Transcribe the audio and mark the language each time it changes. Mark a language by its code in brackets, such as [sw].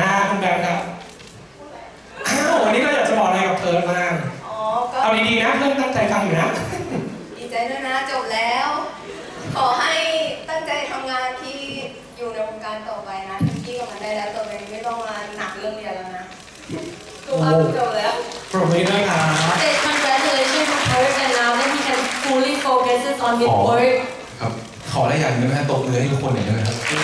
[th] คุณแบบครับวันนี้ก็อยากจะบอกอะไรกับเพิร์ลบ้างเอาดีๆนะเพิร์ลตั้งใจฟังอยู่นะ ดีใจด้วยนะจบแล้วขอให้ตั้งใจทำงานที่อยู่ในวงการต่อไปนะที่กำลังได้แล้วต่อไปไม่ต้องมาหนักเรื่องเรียนแล้วนะ โปรเม ด ด้วยค่ะ [en] Congratulations for her and now that he can fully focus on his work [th] ครับขอได้อย่างนึงให้ตกเรือให้ทุกคนหน่อยได้ไหมครับ